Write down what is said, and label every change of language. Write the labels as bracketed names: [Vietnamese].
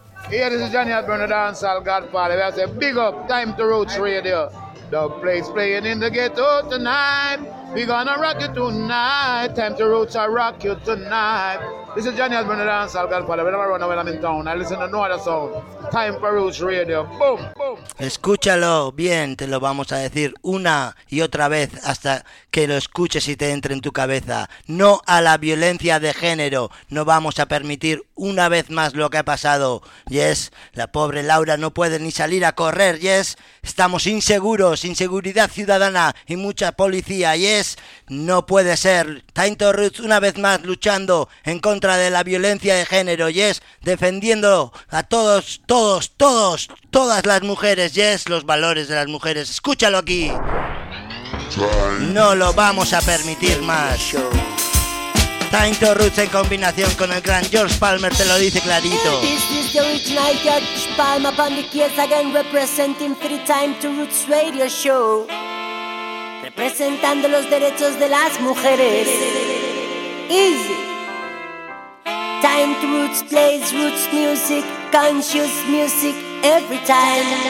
[English] Yeah, this is Johnny at Bruno Dancehall Godfather. I say, big up, Time to Roots Radio. The place playing in the ghetto tonight. We gonna rock you tonight. Time to Roots, I rock you tonight. This is Johnny at Bruno Dancehall Godfather. Whenever I run away, when I'm in town, I listen to no other song. Time for Roots Radio. Boom, boom. [Spanish] Escúchalo bien, te lo vamos a decir una y otra vez hasta que lo escuches y te entre en tu cabeza. No a la violencia de género, no vamos a permitir una vez más lo que ha pasado. Yes, la pobre Laura no puede ni salir a correr. Yes, estamos inseguros, inseguridad ciudadana y mucha policía. Yes, no puede ser. Time to Roots una vez más luchando en contra de la violencia de género. Yes, defendiendo a todas las mujeres. Yes, los valores de las mujeres. Escúchalo aquí. No lo vamos a permitir más. Time to Roots en combinación con el gran George Palmer te lo dice clarito. [English] This is the original George Palmer upon the keys again, representing for the Time to Roots Radio Show. [Spanish] Representando los derechos de las mujeres. Easy. [English] Time to Roots plays roots music, conscious music every time.